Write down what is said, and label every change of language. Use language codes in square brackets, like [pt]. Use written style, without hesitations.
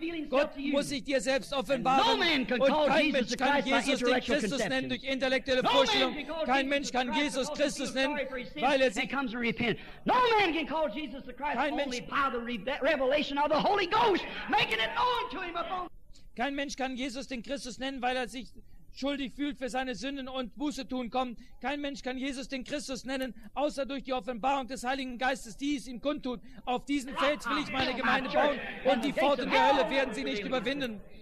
[de] Gott muss sich dir selbst offenbaren und kein Mensch kann Jesus den Christus nennen durch intellektuelle Vorstellung. Kein Mensch kann Jesus Christus nennen, weil er sich [en] comes and repent. No man can call Jesus the Christ only by the revelation of the Holy Ghost making it known to him. [de] Kein Mensch kann Jesus den Christus nennen, weil er sich schuldig fühlt für seine Sünden und Buße tun kommt. Kein Mensch kann Jesus den Christus nennen, außer durch die Offenbarung des Heiligen Geistes, die es ihm kundtut. Auf diesen Fels will ich meine Gemeinde bauen und die Pforten der Hölle werden sie nicht überwinden.